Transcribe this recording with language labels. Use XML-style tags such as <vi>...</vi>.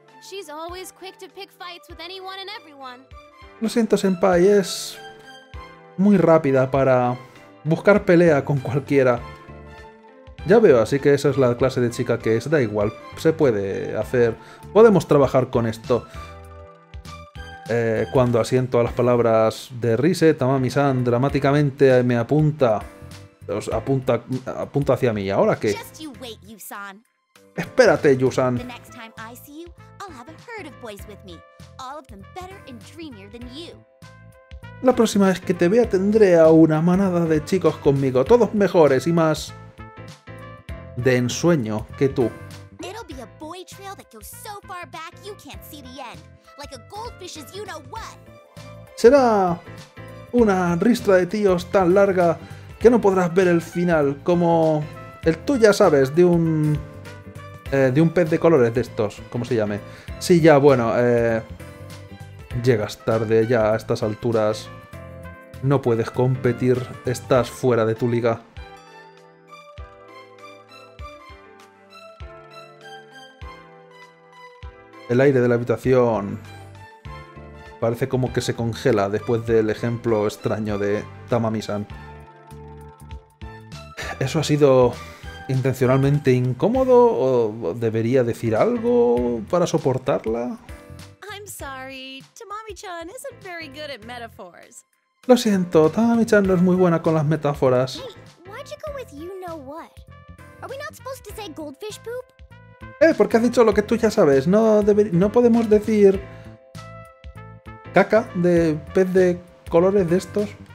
<en>She's always quick to pick fights with anyone and everyone.</en> <es>Lo siento, senpai, es muy rápida para buscar pelea con cualquiera. Ya veo, así que esa es la clase de chica que es. Da igual, se puede hacer. Podemos trabajar con esto. Cuando asiento a las palabras de Rise, Tamami-san dramáticamente me apunta. Apunta hacia mí. ¿Ahora qué?</es> <en>Just you wait, Yu-san.</en> <es>Espérate, Yu-san.</es> <en>The next time I see you, I'll have a herd of boys with me. All of them better and dreamier than you.</en> <es>La próxima vez que te vea tendré a una manada de chicos conmigo, todos mejores y más de ensueño que tú.</es> <en>It'll be a boy trail that goes so far back you can't see the end, like a goldfish's you know what.</en> <es>Será una ristra de tíos tan larga que no podrás ver el final, como el tú ya sabes, de un pez de colores de estos, ¿cómo se llame? Sí, ya, bueno, llegas tarde ya a estas alturas, no puedes competir, estás fuera de tu liga. El aire de la habitación parece como que se congela después del ejemplo extraño de Tamami-san. ¿Eso ha sido intencionalmente incómodo o debería decir algo para soportarla?</es> <en>I'm sorry. Tamami-chan isn't very good at metaphors.</en> <es>Lo siento, Tamami-chan no es muy buena con las metáforas.</es> <en>Hey, why'd you go with you know what? Are we not supposed to say goldfish poop?</en> <es>¿Por qué has dicho lo que tú ya sabes? No podemos decir caca de pez de colores de estos.</es>